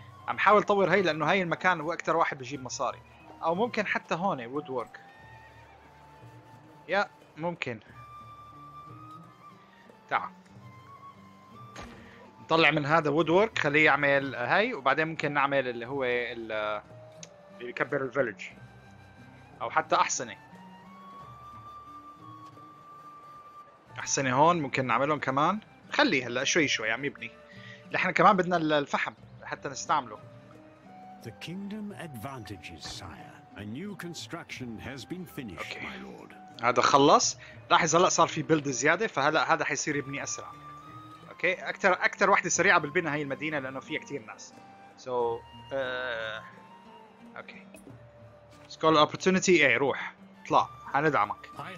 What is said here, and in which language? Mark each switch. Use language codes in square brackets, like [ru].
[ar] عم حاول طور هي لانه هي المكان هو اكثر واحد بجيب مصاري، او ممكن حتى هون وود وورك، يا ممكن تعال نطلع من هذا وود وورك خليه يعمل هاي، وبعدين ممكن نعمل اللي هو اللي بيكبر الفيلج او حتى احسنه هون ممكن نعملهم كمان. خليه هلا شوي شوي عم يبني، نحن كمان بدنا الفحم حتى نستعمله. [en] The kingdom advantages, sire. A new construction has been finished, okay. My lord. [ar] هذا خلص، لاحظ هلا صار في بيلد زياده، فهلا هذا حيصير يبني اسرع. اوكي اكثر وحده سريعه بالبناء هي المدينه لانه فيها كثير ناس. [en] so okay school opportunity, [ar] ايه روح اطلع حندعمك.